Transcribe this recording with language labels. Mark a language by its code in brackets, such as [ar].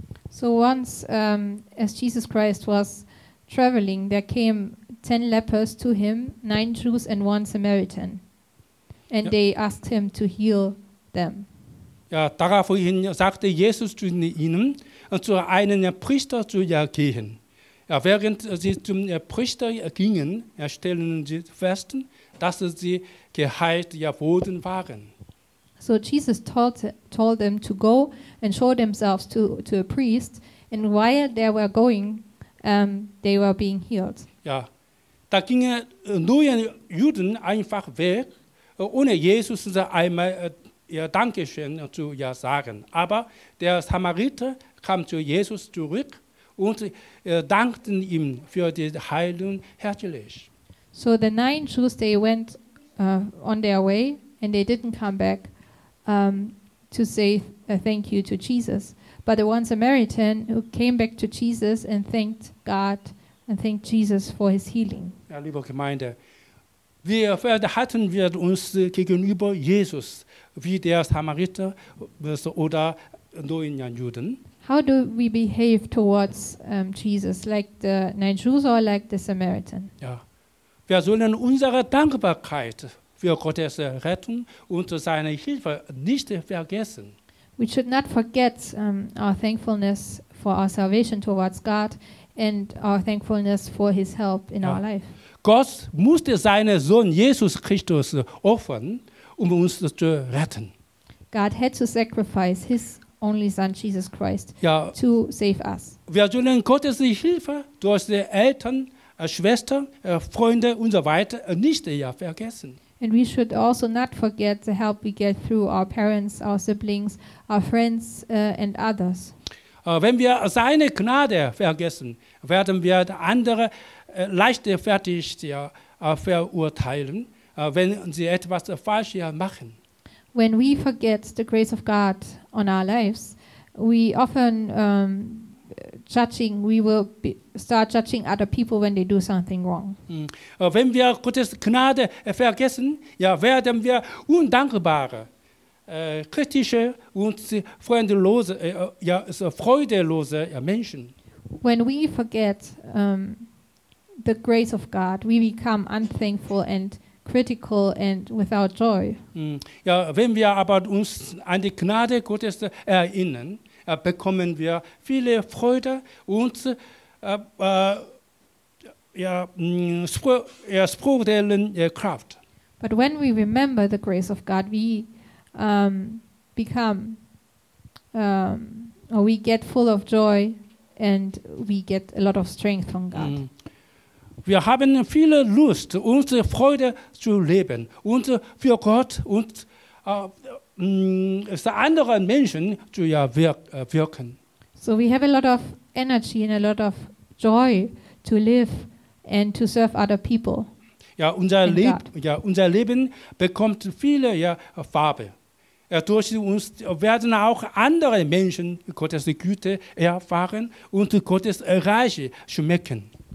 [en] So once, as Jesus Christ was traveling, there came 10 lepers to him, 9 Jews and 1 Samaritan. And they asked him to heal them. [de] Ja, daraufhin sagte Jesus zu ihnen, zu einem Priester zu gehen. Ja, während sie zum Priester gingen, stellen sie fest, dass sie geheilt worden waren. [en] So Jesus told them to go and show themselves to a priest, and while they were going, they were being healed. [de] Ja, da gingen nur Juden einfach weg, ohne Jesus einmal Dankeschön zu sagen. Aber der Samariter kam zu Jesus zurück und dankten ihm für die Heilung herzlich. [en] So the 9 Jews, they went on their way and they didn't come back to say a thank you to Jesus. But the 1 Samaritan who came back to Jesus and thanked God and thanked Jesus for his healing. [de] Ja, liebe Gemeinde, wie verhalten wir uns gegenüber Jesus, wie der Samariter oder neuen Juden? [en] How do we behave towards Jesus, like the 9 Jews or like the Samaritan? [de] Ja, wir sollen unsere Dankbarkeit für Gottes Rettung und seine Hilfe nicht vergessen. [en] We should not forget our thankfulness for our salvation towards God and our thankfulness for his help in our life. [de] Gott musste seinen Sohn Jesus Christus opfern, um uns zu retten. [en] God had to sacrifice his only son Jesus Christ to save us. [de] Wir sollen Gottes Hilfe durch die Eltern Schwester, Freunde und so weiter nicht vergessen. [en] And we should also not forget the help we get through our parents, our siblings, our friends and others. [de] Wenn wir seine Gnade vergessen, werden wir andere leichtfertig verurteilen, wenn sie etwas falsch machen. [en] When we forget the grace of God on our lives, we often start judging other people when they do something wrong. [de] Wenn wir Gottes Gnade vergessen, werden wir undankbare, kritische und freudelose Menschen. [en] When we forget the grace of God, we become unthankful and critical and without joy. [de] Wenn wir aber uns an die Gnade Gottes erinnern, bekommen wir viele Freude und Kraft. [en] But when we remember the grace of God, we become or we get full of joy and we get a lot of strength from God. [de] Wir haben viele Lust, unsere Freude zu leben und für Gott und für andere Menschen zu wirken. [en] So we have a lot of energy and a lot of joy to live and to serve other people. [de] Unser Leben bekommt viele Farbe. Durch uns werden auch andere Menschen Gottes Güte erfahren und Gottes Reich schmecken.